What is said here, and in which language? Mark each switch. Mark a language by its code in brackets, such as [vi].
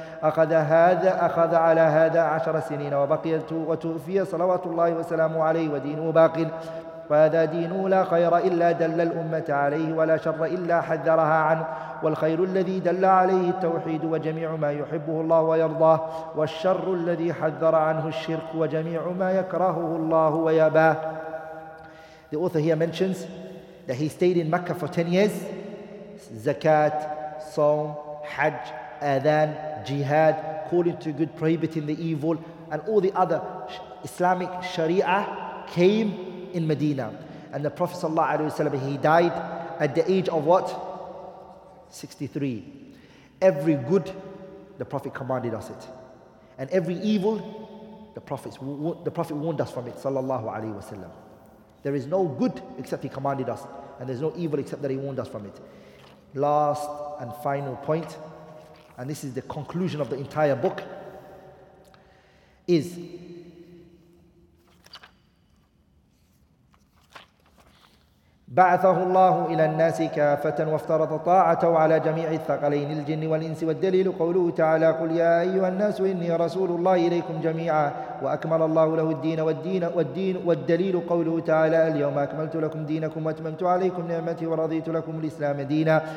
[ar] أخذ على هذا 10 سنين وتوفي صلوات الله وسلامه عليه ودينه باق. وهذا دينه لا خير إلا دل الأمة عليه ولا شر إلا حذرها عنه. والخير الذي دل عليه التوحيد وجميع ما يحبه الله ويرضاه. والشر الذي حذر عنه الشرك وجميع ما يكرهه الله ويباه. [en] The author here mentions that he stayed in Mecca for 10 years. Zakat, Saum, Hajj, Adhan, Jihad, calling to good, prohibiting the evil, and all the other Islamic Sharia came in Medina. And the Prophet sallallahu alaihi wasallam, he died at the age of what? 63. Every good, the Prophet commanded us it, and every evil, the Prophet warned us from it, sallallahu alaihi wasallam. There is no good except he commanded us, and there's no evil except that he warned us from it. Last and final point, and this is the conclusion of the entire book, is [ar] بعثه الله إلى الناس كافة وافترض طاعته على جميع الثقلين الجن والإنس. والدليل قوله تعالى: قل يا أيها الناس إني رسول الله إليكم جميعا. وأكمل الله له الدين والدين والدين. والدليل قوله تعالى: اليوم أكملت لكم دينكم وأتممت عليكم نعمتي ورضيت لكم الإسلام دينا.